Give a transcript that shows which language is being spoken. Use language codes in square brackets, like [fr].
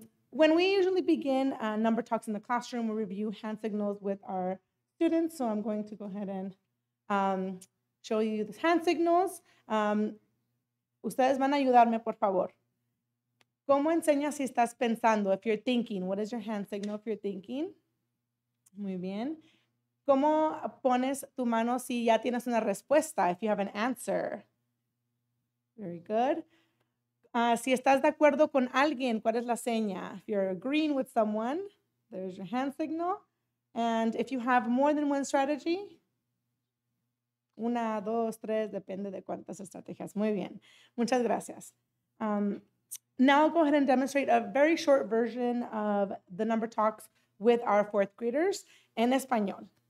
[en] When we usually begin number talks in the classroom, we review hand signals with our students. So I'm going to go ahead and show you the hand signals. [es] Ustedes van a ayudarme, por favor. ¿Cómo enseñas si estás pensando? [en] If you're thinking, what is your hand signal if you're thinking? [es] Muy bien. ¿Cómo pones tu mano si ya tienes una respuesta? [en] If you have an answer. Very good. [es] Si estás de acuerdo con alguien, ¿cuál es la seña? [en] If you're agreeing with someone, there's your hand signal. And if you have more than one strategy, [es] una, dos, tres, depende de cuántas estrategias. Muy bien. Muchas gracias. [en] Now I'll go ahead and demonstrate a very short version of the number talks with our fourth graders [es] en español.